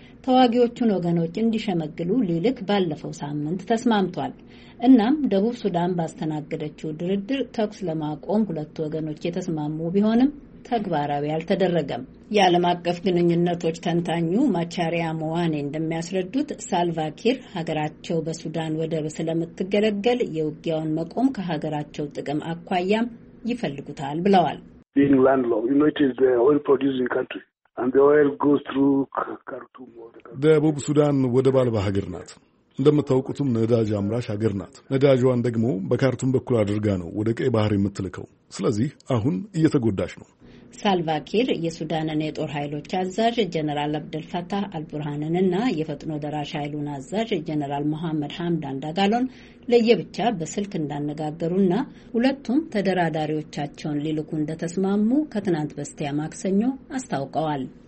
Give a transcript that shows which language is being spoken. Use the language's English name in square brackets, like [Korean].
[Amharic] ተዋጊዎቹን ወገኖች እንዲሸመግሉ ሊልክ ባለፈው ሳምንት ተስማምቷል። እናም ደቡብ ሱዳን ባስተናገደችው ድርድር ተኩስ ለማቆም ሁለቱ ወገኖች የተስማሙ ቢሆንም ተግባራዊ አልተደረገም። የዓለም አቀፍ ግንኙነቶች ተንታኙ ማቻሪያ መዋኔ እንደሚያስረዱት ሳልቫኪር ሀገራቸው በሱዳን ወደብ ስለምትገለገል የውጊያውን መቆም ከሀገራቸው ጥቅም አኳያም ይፈልጉታል ብለዋል። [English] Being landlocked, you know, it is an oil producing country. And the oil goes through Khartoum. [Amharic] ደቡብ ሱዳን ወደብ አልባ ሀገር ናት። እንደምታውቁትም ነዳጅ አምራች ሀገር ናት። ነዳጅዋን ደግሞ በካርቱም በኩል አድርጋ ነው ወደ ቀይ ባህር የምትልከው። ስለዚህ አሁን እየተጎዳች ነው። ሳልቫኪር የሱዳንን የጦር ኃይሎች አዛዥ ጀነራል አብደል ፈታህ አልቡርሃንንና የፈጥኖ ደራሽ ኃይሉን አዛዥ ጀነራል መሐመድ ሐምዳን ዳጋሎን ለየብቻ በስልክ እንዳነጋገሩና ሁለቱም ተደራዳሪዎቻቸውን ሊልኩ እንደተስማሙ ከትናንት በስቲያ ማክሰኞ አስታውቀዋል።